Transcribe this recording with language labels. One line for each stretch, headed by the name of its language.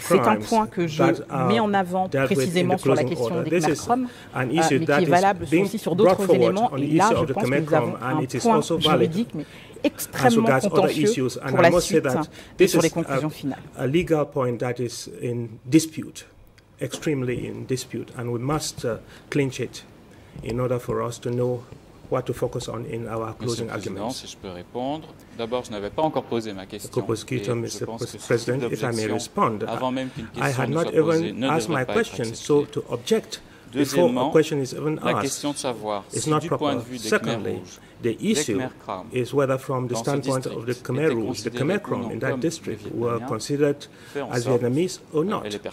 French: c'est un point que je mets en avant précisément sur la question des Khmer Krom, mais qui est valable aussi sur d'autres éléments. Et là, je pense que nous avons un point juridique, mais extrêmement contentieux pour la suite et sur les conclusions finales.
English: A legal point that is in dispute. Extremely in dispute, and we must clinch it in order for us to know what to focus on in our closing arguments.
French: Si je peux répondre, d'abord, je n'avais pas encore posé ma question.
English: Mr. President, if I may respond,
French: avant même qu'une question
English: I had not even asked my question, so to object before a question is even asked is not proper. Secondly, the issue is whether from the standpoint of the Khmer Rouge, the Khmer Krom in that district were considered as Vietnamese or not.